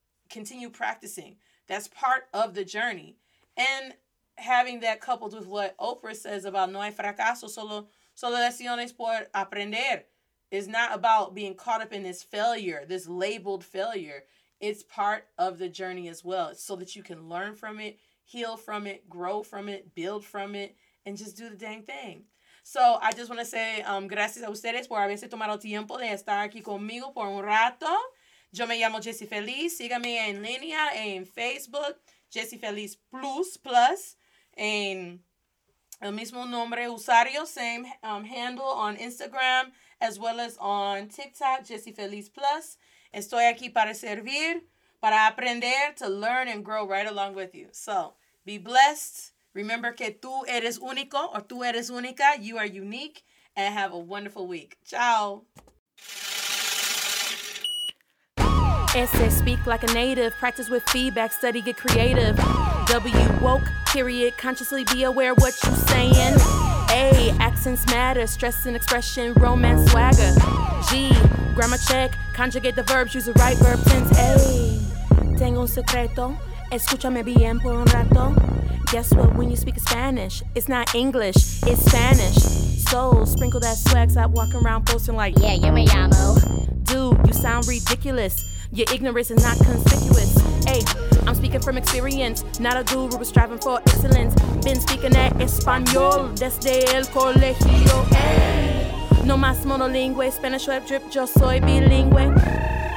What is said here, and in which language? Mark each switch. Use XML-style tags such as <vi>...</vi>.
<en>Continue practicing. That's part of the journey. And having that coupled with what Oprah says about</en> <es>no hay fracaso, solo lecciones por aprender.</es> <en>It's not about being caught up in this failure, this labeled failure. It's part of the journey as well. It's so that you can learn from it, heal from it, grow from it, build from it, and just do the dang thing. So I just want to say</en> <es>gracias a ustedes por haberse tomado tiempo de estar aquí conmigo por un rato. Yo me llamo Jessie Feliz. Sígame en línea en Facebook, Jessie Feliz Plus, en el mismo nombre usuario,</es> <en>same handle on Instagram, as well as on TikTok,</en> <es>Jessie Feliz Plus. Estoy aquí para servir, para aprender,</es> <en>to learn and grow right along with you. So be blessed. Remember</en> <es>que tú eres único or tú eres única.</es> <en>You are unique and have a wonderful week.</en> <it>Ciao.</it> <en>Ese speak like a native. Practice with feedback. Study, get creative. W, woke, period. Consciously be aware what you saying. A, accents matter. Stress and expression. Romance swagger. G, grammar check. Conjugate the verbs. Use the right verb tense.</en> <es>A, tengo un secreto. Escúchame bien por un rato.</es> <en>Guess what? When you speak Spanish, it's not English, it's Spanish. So, sprinkle that swag, stop walking around posting like,</en> <es>yeah, yo me llamo.</es> <en>Dude, you sound ridiculous. Your ignorance is not conspicuous. Hey, I'm speaking from experience, not a guru striving for excellence. Been speaking that</en> <es>Espanol desde el colegio. Hey, no más monolingüe,</es> <en>Spanish web drip,</en> <es>yo soy bilingüe.</es>